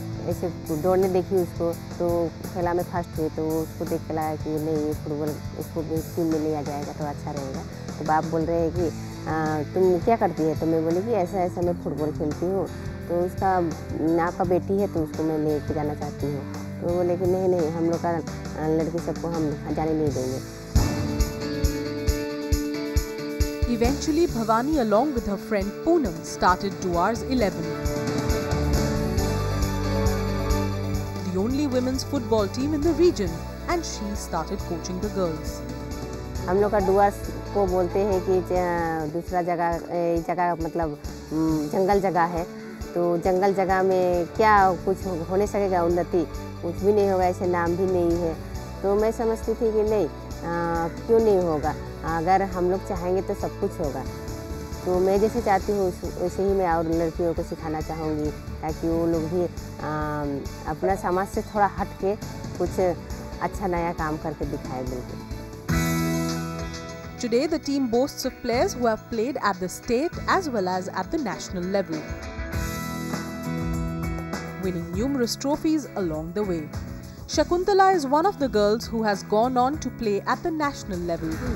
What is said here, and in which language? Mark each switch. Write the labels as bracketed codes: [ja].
[hi] ऐसे दौड़ने देखी उसको तो खेला में फर्स्ट हुई तो उसको देख के लाया कि नहीं फुटबॉल उसको भी टीम में लिया जाएगा तो अच्छा रहेगा तो बाप बोल रहे हैं कि तुम क्या करती है तो मैं बोली कि ऐसा ऐसा मैं फुटबॉल खेलती हूँ तो उसका आपका बेटी है तो उसको मैं ले कर जाना चाहती हूँ तो बोले कि नहीं नहीं हम लोग का लड़की सबको हम जाने नहीं देंगे [en] Eventually, Bhavani, along with her friend Poonam, started towards 11. The only women's football team in the region, and she started coaching the girls. [hi] हम लोग का डुआर्स को बोलते हैं कि दूसरा जगह जगह मतलब जंगल जगह है तो जंगल जगह में क्या कुछ होने सकेगा उन्नति कुछ भी नहीं होगा ऐसे नाम भी नहीं है तो मैं समझती थी कि नहीं क्यों नहीं होगा अगर हम लोग चाहेंगे तो सब कुछ होगा तो मैं जैसे चाहती हूँ वैसे ही मैं और लड़कियों को सिखाना चाहूँगी ताकि वो लोग भी अपना समाज से थोड़ा हट के कुछ अच्छा नया काम करके दिखाए बिल्कुल [en] Today, the team boasts of players who have played at the state as well as at the national level, winning numerous trophies along the way. Shakuntala is one of the girls who has gone on to play at the national level.